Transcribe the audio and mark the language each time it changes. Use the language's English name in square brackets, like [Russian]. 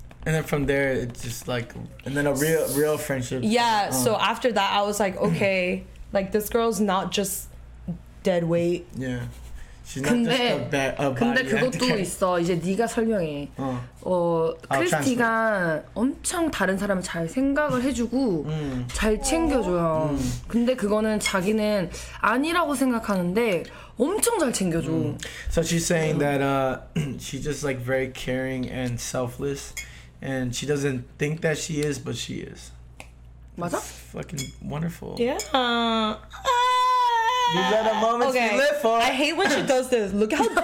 [English] And then from there, it's just like, and then a real friendship. Yeah, so after that, I was like, okay, like this girl's not just dead weight. Yeah. She's not [Korean] 근데, [English] just a bad body. [Korean] 근데 그것도 있어. 이제 네가 설명해. 크리스티가 엄청 다른 사람을 잘 생각을 해주고 잘 챙겨줘요. 근데 그거는 자기는 아니라고 생각하는데 엄청 잘 챙겨줘. [English] So she's saying that she's just like very caring and selfless. And she doesn't think that she is, but she is. What? Fucking wonderful. Yeah. These are the moments you live for. I hate when she does this. Look how